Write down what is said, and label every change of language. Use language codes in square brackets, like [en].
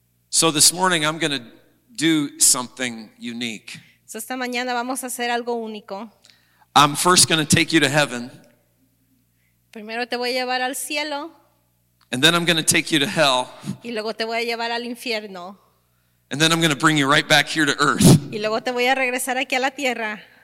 [en] So this morning I'm going to do something unique. [es] So esta mañana vamos a hacer algo único. [en] I'm first going to take you to heaven. [es] Primero te voy a llevar al cielo. [en] And then I'm going to take you to hell. [es] Y luego te voy a llevar al infierno. [en] And then I'm going to bring you right back here to earth. [es] Y luego te voy a regresar aquí a la tierra.